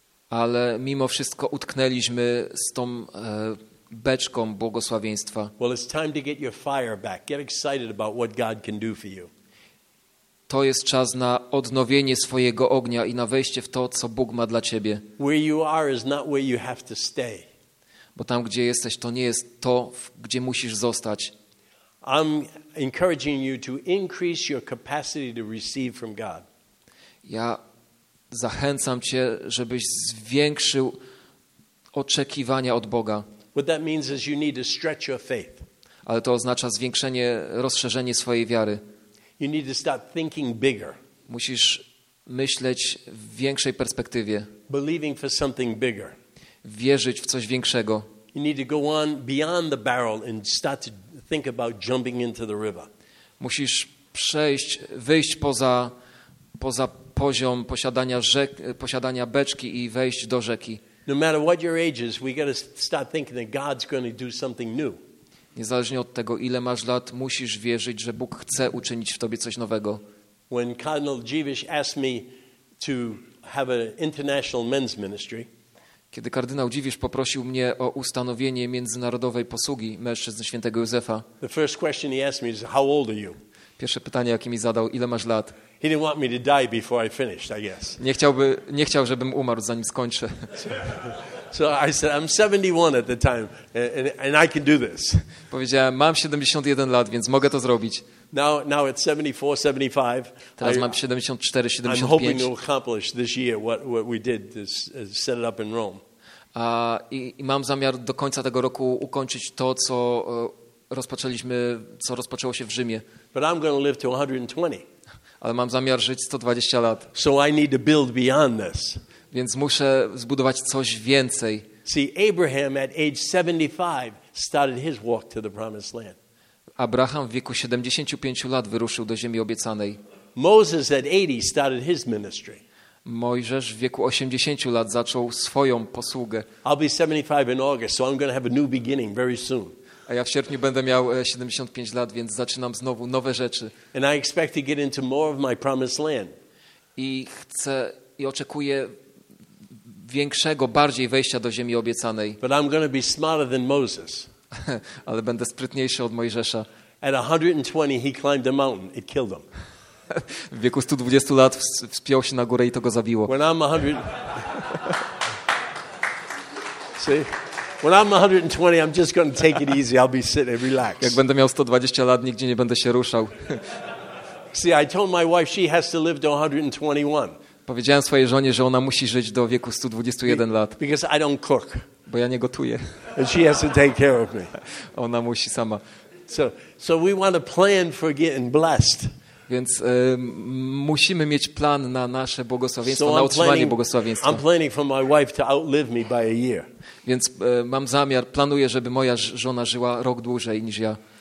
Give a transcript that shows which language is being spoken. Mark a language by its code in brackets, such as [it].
[pl] Ale mimo wszystko utknęliśmy z tą beczką błogosławieństwa. [en] Well, it's time to get your fire back. Get excited about what God can do for you. [pl] To jest czas na odnowienie swojego ognia i na wejście w to, co Bóg ma dla ciebie. [en] Where you are is not where you have to stay. [pl] Bo tam, gdzie jesteś, to nie jest to, gdzie musisz zostać. [en] I'm encouraging you to increase your capacity to receive from God. [pl] Ja zachęcam cię, żebyś zwiększył oczekiwania od Boga. [en] What that means is you need to stretch your faith. [pl] Ale to oznacza zwiększenie, rozszerzenie swojej wiary. [en] You need to start thinking bigger. [pl] Musisz myśleć w większej perspektywie. [en] Believing for something bigger. [pl] Wierzyć w coś większego. [en] You need to go on beyond the barrel and start to think about jumping into the river. [pl] Musisz przejść, wyjść poza poziom posiadania posiadania beczki i wejść do rzeki. [en] No matter what your age is, we got to start thinking that God's going to do something new. [pl] Niezależnie od tego, ile masz lat, musisz wierzyć, że Bóg chce uczynić w tobie coś nowego. [en] When Cardinal Jeevesh asked me to have an international men's ministry, [pl] kiedy kardynał Jeevesh poprosił mnie o ustanowienie międzynarodowej posługi mężczyzn Świętego Józefa, [en] the first question he asked me is, how old are you? [pl] Pierwsze pytanie, jakie mi zadał, ile masz lat? [en] He didn't want me to die before I finished, I guess. [pl] Nie chciał, żebym umarł, zanim skończę. [en] So I said, I'm 71 at the time, and I can do this. [pl] Powiedziałem, mam 71 lat, więc mogę to zrobić. [en] Now at 74, 75. [pl] Teraz mam 74, 75. [en] I'm hoping to accomplish this year what we did to set it up in Rome. [pl] I mam zamiar do końca tego roku ukończyć to, co rozpoczęliśmy, co rozpoczęło się w Rzymie. [en] But I'm going to live to 120. [pl] Ale mam zamiar żyć 120 lat. [en] So I need to build beyond this. [pl] Więc muszę zbudować coś więcej. [en] See, Abraham at age 75 started his walk to the promised land. [pl] Abraham w wieku 75 lat wyruszył do ziemi obiecanej. [en] Moses at 80 started his ministry. [pl] Mojżesz w wieku 80 lat zaczął swoją posługę. [en] I'll be 75 in August, so I'm going to have a new beginning very soon. [pl] A ja w sierpniu będę miał 75 lat, więc zaczynam znowu nowe rzeczy. [en] And I expect to get into more of my promised land. [pl] I oczekuję większego, bardziej wejścia do ziemi obiecanej. [en] But I'm going to be smarter than Moses. [pl] Ale będę sprytniejszy od Mojżesza. [en] At 120 he climbed a mountain, it killed him. [pl] W wieku 120 lat wspiął się na górę i to go zabiło. [en] When I'm 100 See? When I'm 120, I'm just going to take it easy. I'll be sitting and relax. [pl] Jak będę miał 120 lat, nigdzie nie będę się ruszał. [en] See, I told my wife she has to live to 121. [pl] Powiedziałem swojej żonie, że ona musi żyć do wieku 121 lat. [en] Because I don't cook. [pl] Bo ja nie gotuję. [en] And she has to take care of me. [pl] Ona musi sama. [en] So we want to plan for getting blessed. [pl] Więc musimy mieć plan na nasze błogosławieństwo, na otrzymanie błogosławieństwa. [en] I'm planning for my wife to outlive me by a year. [pl] Więc mam zamiar, planuję, żeby moja żona żyła rok dłużej niż ja.